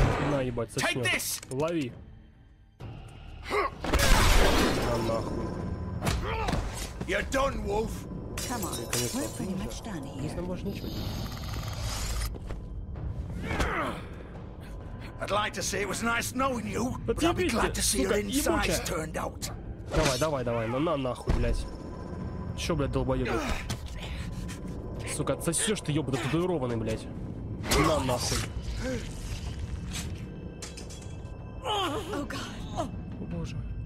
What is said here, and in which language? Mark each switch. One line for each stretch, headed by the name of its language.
Russian: На, ебать, сосёт. Лови. На нахуй.
English: You're done, Wolf. Come on, we're pretty much done here.
Russian: Если можешь ничего делать.
English: I'd like to say it was nice knowing you, but I'd be glad to see your insides turned out.
Russian: Давай, давай, давай, ну на нахуй, блядь. Чё, блядь, долбоёб? Сука, отсосёшь ты, ёбаный, татуированный, блядь. На нахуй. О, боже.